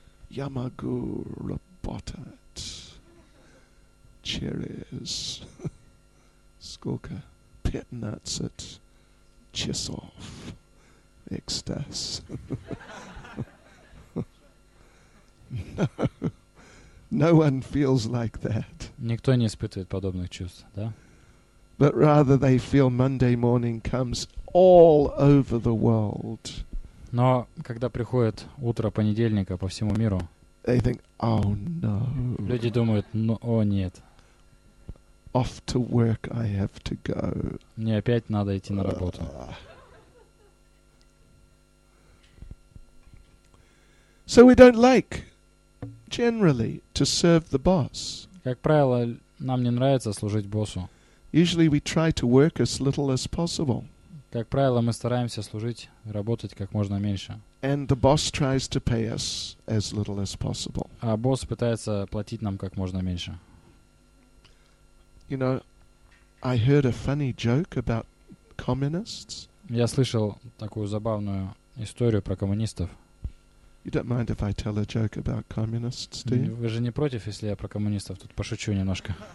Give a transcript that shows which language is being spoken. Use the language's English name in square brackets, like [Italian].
[Russian] Я могу работать через сколько? 15 часов. Экстаз. [English] No one feels like that. [Russian] Никто не испытывает подобных чувств, да? [English] But rather they feel Monday morning comes all over the world. [Russian] Но когда приходит утро понедельника по всему миру, [English] they think, oh no. [Russian] Люди думают, о нет. [English] Off to work I have to go. [Russian] Мне опять надо идти на работу. [English] So we don't like generally to serve the boss. [Russian] Как правило, нам не нравится служить боссу. [English] Usually we try to work as little as possible. [Russian] Как правило, мы стараемся служить, работать как можно меньше. [English] And the boss tries to pay us as little as possible. [Russian] А босс пытается платить нам как можно меньше. [English] You know, I heard a funny joke about communists. [Russian] Я слышал такую забавную историю про коммунистов. [English] You don't mind if I tell a joke about communists, do you? [Russian] Вы же не против, если я про коммунистов тут пошучу немножко.